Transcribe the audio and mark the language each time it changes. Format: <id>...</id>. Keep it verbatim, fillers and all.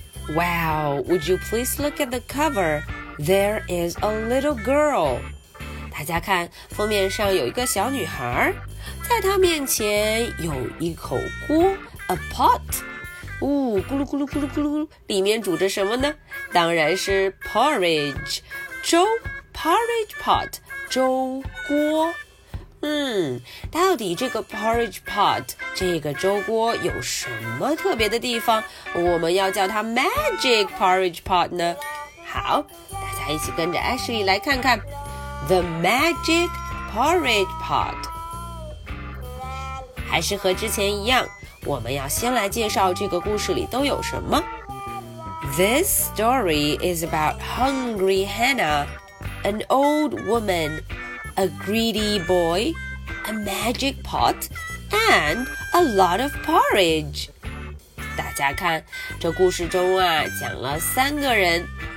<en>Wow, would you please look at the cover? There is a little girl.</en> <zh>大家看，封面上有一个小女孩，在她面前有一口锅 ，a pot。哦，咕噜咕噜咕噜咕噜，里面煮着什么呢？当然是 porridge 粥 ，porridge pot 粥锅。嗯，到底这个 porridge pot 这个粥锅有什么特别的地方？我们要叫它 magic porridge pot 呢？好，大家一起跟着 Ashley 来看看 the magic porridge pot。还是和之前一样。我们要先来介绍这个故事里都有什么。</zh> <en>This story is about hungry Hannah, an old woman, a greedy boy, a magic pot, and a lot of porridge.</en> <zh>大家看，这故事中啊，讲了三个人。</zh>